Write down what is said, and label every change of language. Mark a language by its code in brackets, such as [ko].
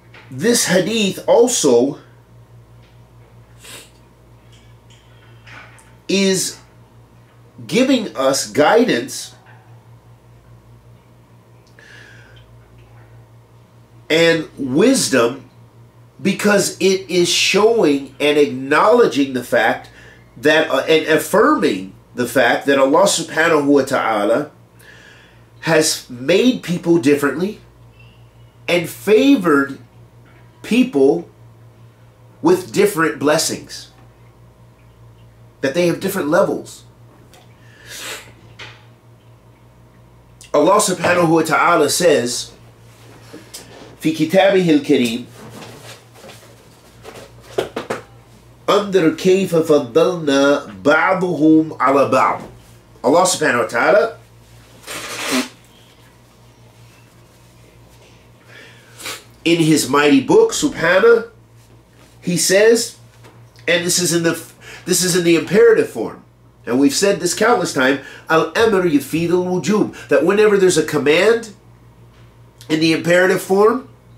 [en] This hadith also is giving us guidance and wisdom, because it is showing and acknowledging the fact that and affirming the fact that Allah subhanahu wa ta'ala has made people differently and favored people with different blessings, that they have different levels. Allah subhanahu wa ta'ala says, [ar] في كتابه الكريم, [en] under [ar] كيف فضلنا بعضهم على بعض. [en] Allah subhanahu wa ta'ala in his mighty book, Subhanah, he says, and this is in the imperative form, and we've said this countless time, [ar] Al-Amr yufid al-wujub, [en] that whenever there's a command in the imperative form,